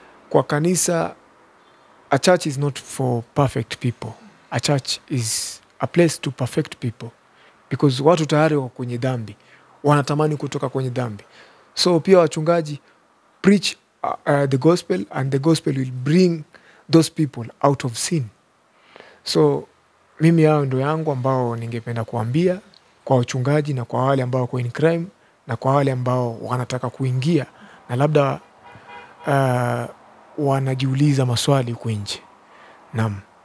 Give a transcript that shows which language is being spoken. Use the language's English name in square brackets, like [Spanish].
[Swahili] Kwa kanisa, [English] a church is not for perfect people. A church is a place to perfect people. [Swahili] Because watu tayari wako kwenye dhambi, wanatamani kutoka kwenye dhambi. [English] So [Swahili] pia wachungaji, [English] preach the gospel, and the gospel will bring those people out of sin. [Swahili] So mimi hao ndo yangu ambao ningependa kuambia kwa wachungaji na kwa wale ambao wako [English] in crime [Swahili] na kwa wale ambao wanataka kuingia na labda wanajiuliza maswali huko nje. Naam.